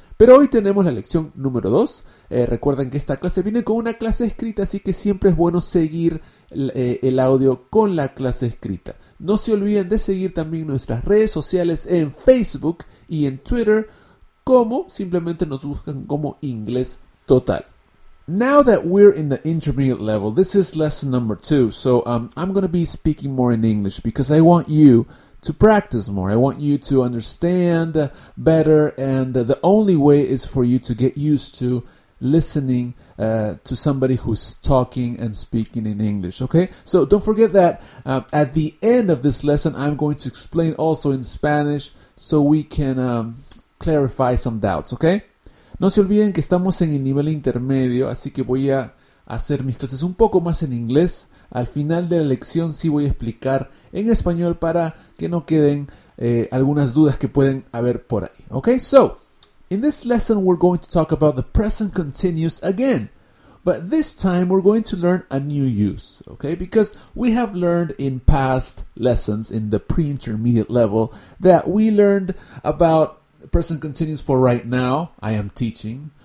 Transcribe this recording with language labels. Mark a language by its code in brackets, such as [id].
[es] Pero hoy tenemos la lección número 2. Recuerden que esta clase viene con una clase escrita, así que siempre es bueno seguir el audio con la clase escrita. No se olviden de seguir también nuestras redes sociales en Facebook y en Twitter, como simplemente nos buscan como Inglés Total. [en] Now that we're in the intermediate level, this is lesson number 2, so I'm going to be speaking more in English because I want you to practice more. I want you to understand better, and the only way is for you to get used to listening to somebody who's talking and speaking in English, okay? So don't forget that at the end of this lesson, I'm going to explain also in Spanish so we can clarify some doubts, okay? [es] No se olviden que estamos en el nivel intermedio, así que voy a hacer mis clases un poco más en inglés. Al final de la lección sí voy a explicar en español para que no queden algunas dudas que pueden haber por ahí. [en] Okay, so, in this lesson we're going to talk about the present continuous again. But this time we're going to learn a new use, okay? Because we have learned in past lessons in the pre-intermediate level that we learned about present continuous for right now, I am teaching.